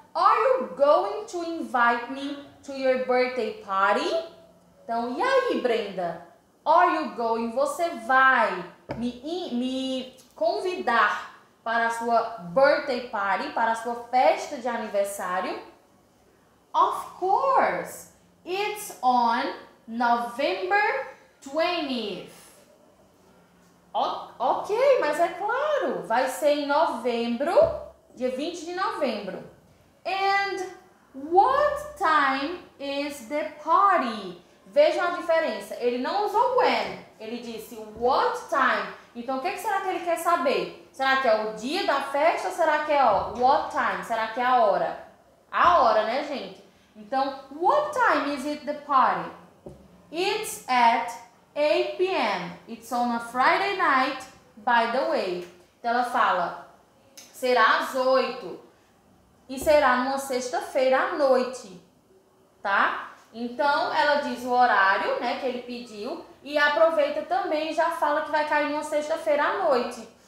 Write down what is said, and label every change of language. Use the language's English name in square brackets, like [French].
[English] Are you going to invite me to your birthday party? [Portuguese] Então, e aí, Brenda? [English] Are you going? [Portuguese] Você vai me convidar para a sua [English] birthday party, [Portuguese] para a sua festa de aniversário? [English] Of course. It's on November 20th. [Portuguese] Ok, mas é claro. Vai ser em novembro, dia 20 de novembro. [English] And what time is the party? [Portuguese] Vejam a diferença. Ele não usou when. Ele disse [English] what time. [Portuguese] Então, o que será que ele quer saber? Será que é o dia da festa ou será que é, ó, [English] what time? [Portuguese] Será que é a hora? A hora, né, gente? Então, [English] what time is it the party? It's at 8 p.m. It's on a Friday night, by the way. [Portuguese] Então, ela fala, será às 8 e será numa sexta-feira à noite, tá? Então, ela diz o horário, né, que ele pediu e aproveita também e já fala que vai cair numa sexta-feira à noite.